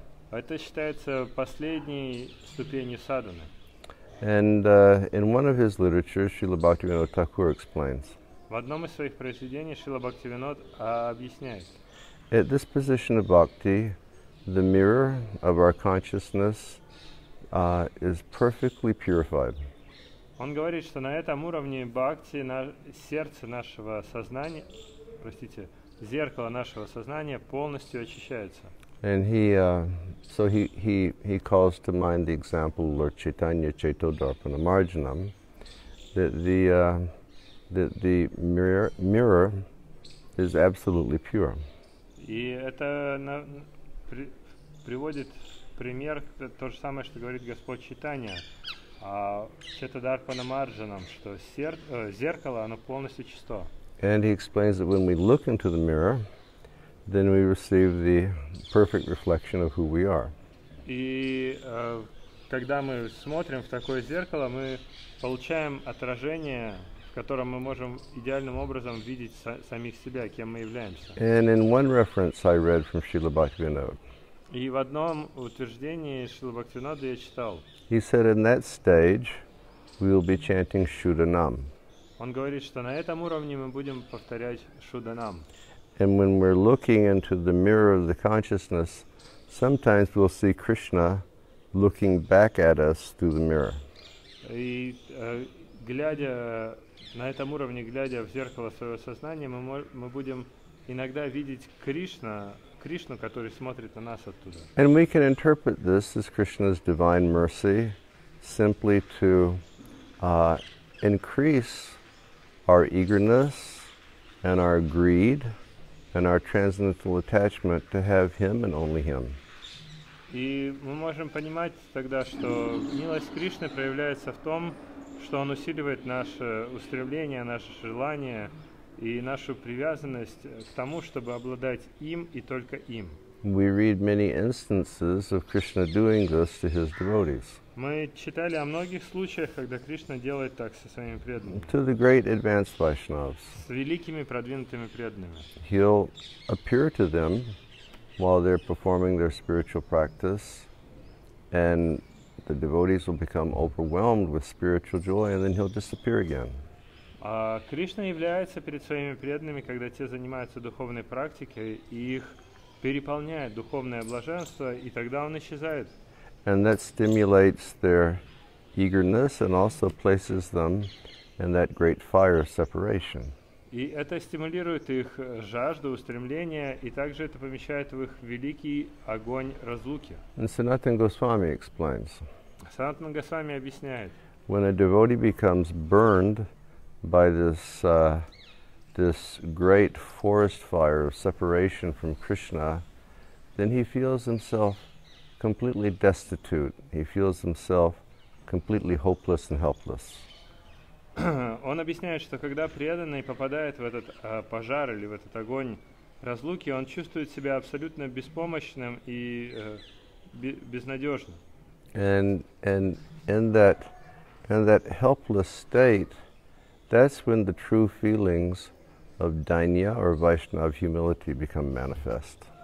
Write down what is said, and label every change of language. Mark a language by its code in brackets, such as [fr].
[ru] Это считается последней ступенью садханы. [en] And in one of his literatures, Srila Bhaktivinoda Thakur explains. [ru] В одном из своих произведений Шрила Бхактивинод объясняет. [en] At this position of bhakti, the mirror of our consciousness is perfectly purified. [ru] Он говорит, что на этом уровне бхакти сердце нашего сознания, простите, зеркало нашего сознания полностью очищается. [en] And he calls to mind the example of Lord Chaitanya Chaitodarpana Marjanam, that the mirror is absolutely pure. [ru] И это приводит пример то же самое, что говорит Господь Читания, Чаттадарпана Марджанам, что зеркало, оно полностью чисто. [en] And he explains that when we look into the mirror, then we receive the perfect reflection of who we are. [ru] И когда мы смотрим в такое зеркало, мы получаем отражение, в котором мы можем идеальным образом видеть самих себя, кем мы являемся. [en] And in one reference I read from Srila Bhaktivinoda. [ru] И в одном утверждении Шрилы Бхактивинода я читал. [en] He said, in that stage, we will be chanting Shudanam. [ru] Он говорит, что на этом уровне мы будем повторять Шуданам. [en] And when we're looking into the mirror of the consciousness, sometimes we'll see Krishna looking back at us through the mirror. [ru] И глядя на этом уровне, глядя в зеркало своего сознания, мы будем иногда видеть Кришну, который смотрит на нас оттуда. [en] And we can interpret this as Krishna's divine mercy simply to increase our eagerness and our greed and our transcendental attachment to have him and only him. [ru] И мы можем понимать тогда, что милость Кришны проявляется в том, что он усиливает наше устремление, наше желание и нашу привязанность к тому, чтобы обладать им и только им. [en] We read many instances of Krishna doing this to his devotees. [ru] Мы читали о многих случаях, когда Кришна делает так со своими преданными. [en] To the great advanced Vaishnavas. [ru] С великими продвинутыми преданными. [en] He'll appear to them while they're performing their spiritual practice, and the devotees will become overwhelmed with spiritual joy, and then he'll disappear again. [ru] Кришна является перед своими преданными, когда те занимаются духовной практикой, и их переполняет духовное блаженство, и тогда он исчезает. [en] And that stimulates their eagerness and also places them in that great fire of separation. [ru] И это стимулирует их жажду, устремление, и также это помещает в их великий огонь разлуки. [en] And Sanatana Goswami explains. [ru] Sanatana Goswami объясняет. [en] When a devotee becomes burned by this this great forest fire of separation from Krishna, then he feels himself completely destitute. He feels himself completely hopeless and helpless. [ru] Он объясняет, что когда преданный попадает в этот пожар или в этот огонь разлуки, он чувствует себя абсолютно беспомощным и безнадежным. [en] And in that helpless state, that's when the true feelings of Dainya or Vaishnav humility become manifest.